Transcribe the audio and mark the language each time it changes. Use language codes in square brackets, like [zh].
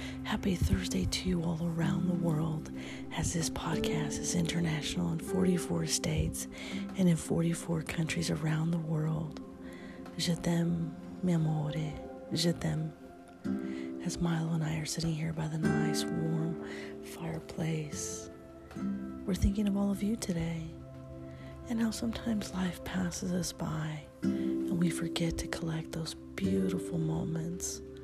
[en] Happy Thursday to you all around the world as this podcast is international in 44 states and in 44 countries around the world. [fr] Je t'aime, [it] mi amore, [fr] je t'aime. [en] As Milo and I are sitting here by the nice warm fireplace, we're thinking of all of you today and how sometimes life passes us by and we forget to collect those beautiful moments.